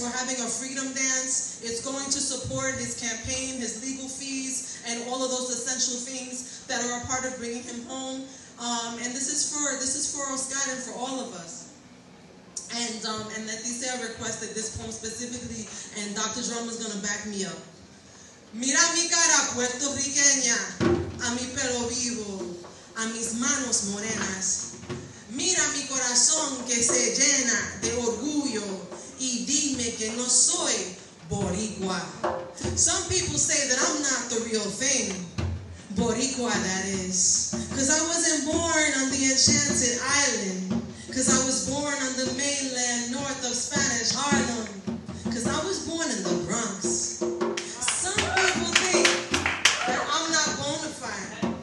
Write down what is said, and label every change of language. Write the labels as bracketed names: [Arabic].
[English] We're having a freedom dance. It's going to support his campaign, his legal fees, and all of those essential things that are a part of bringing him home. And this is for Oscar and for all of us. And Leticia requested this poem specifically, and Dr. Drum is gonna back me up. [Spanish] Mira mi cara puertorriqueña, a mi pelo vivo, a mis manos morenas. Mira mi corazón que se llena de orgullo y dime que no soy boricua. [English] Some people say that I'm not the real thing. Boricua, that is. Because I wasn't born on the Enchanted Island. Because I was born on the mainland north of Spanish Harlem. Because I was born in the Bronx. Some people think that I'm not bona fide.